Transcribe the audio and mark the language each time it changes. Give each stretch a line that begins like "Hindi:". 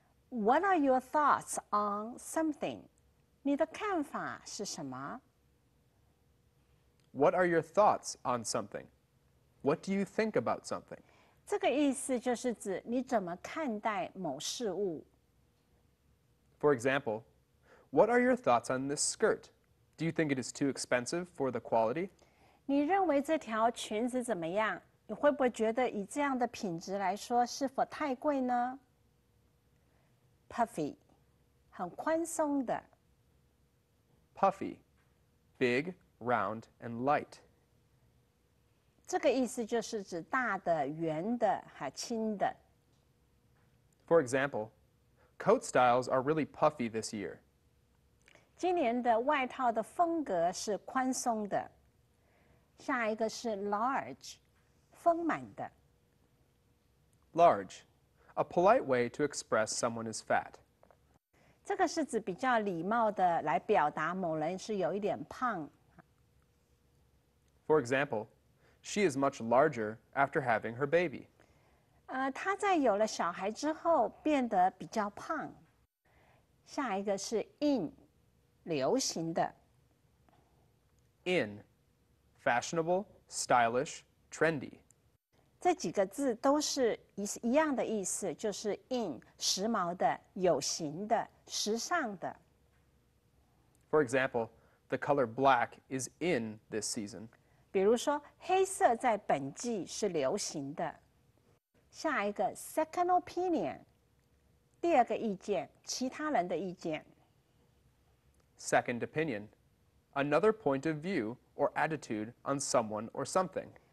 English: What are your thoughts on something?
Chinese: 你的看法是什么?
English: What are your thoughts on something? What do you think about something?
Chinese: 这个意思就是指你怎么看待某事物。
English: For example, what are your thoughts on this skirt? Do you think it is too expensive for the quality?
Chinese: 你认为这条裙子怎么样?你会不会觉得以这样的品质来说是否太贵呢? Puffy, 很宽松的。
English: Puffy, big, round, and light.
Chinese: 这个意思就是指大的、圆的和轻的。
English: For example, coat styles are really puffy this year.
Chinese: 今年的外套的风格是宽松的。下一个是 large, 丰满的。
English: Large, a polite way to express someone is fat.
Chinese: 这个是指比较礼貌的来表达某人是有一点胖。
English: For example, she is much larger after having her baby.
Chinese: 她在有了小孩之后变得比较胖。下一个是 in, 流行的。
English: In, fashionable, stylish, trendy.
Chinese: 这几个字都是一样的意思，就是 in, 时髦的，有型的。时尚的。
English: For example, the color black is in this season.
Chinese: 比如说，黑色在本季是流行的。下一个 second opinion, 第二个意见，其他人的意见。
English: Second opinion, another point of view or attitude on someone or something.